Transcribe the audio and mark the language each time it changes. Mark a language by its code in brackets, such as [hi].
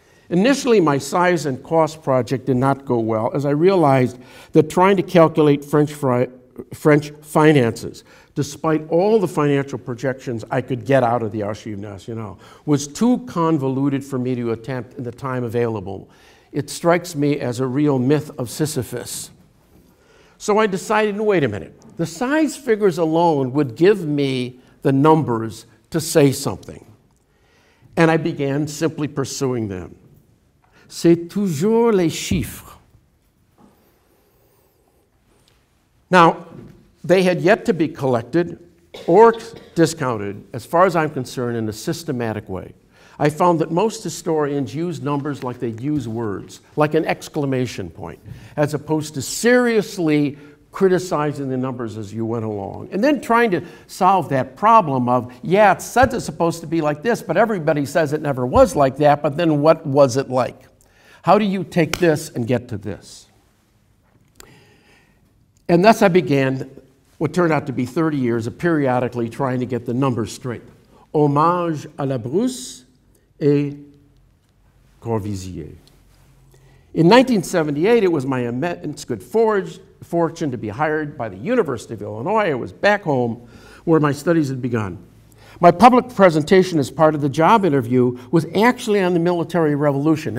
[en] Initially, my size and cost project did not go well, as I realized that trying to calculate French finances, despite all the financial projections I could get out of the Archives Nationales, was too convoluted for me to attempt in the time available. It strikes me as a real myth of Sisyphus. So I decided, wait a minute. The size figures alone would give me the numbers to say something. And I began simply pursuing them. [fr] C'est toujours les chiffres. [en] Now, they had yet to be collected or discounted, as far as I'm concerned, in a systematic way. I found that most historians use numbers like they use words, like an exclamation point, as opposed to seriously criticizing the numbers as you went along. And then trying to solve that problem of, yeah, it says it's supposed to be like this, but everybody says it never was like that, but then what was it like? How do you take this and get to this? And thus I began what turned out to be 30 years of periodically trying to get the numbers straight. [fr] Hommage à la Brousse et Corvisier. [en] In 1978, it was my immense good fortune to be hired by the University of Illinois. I was back home where my studies had begun. My public presentation as part of the job interview was actually on the military revolution.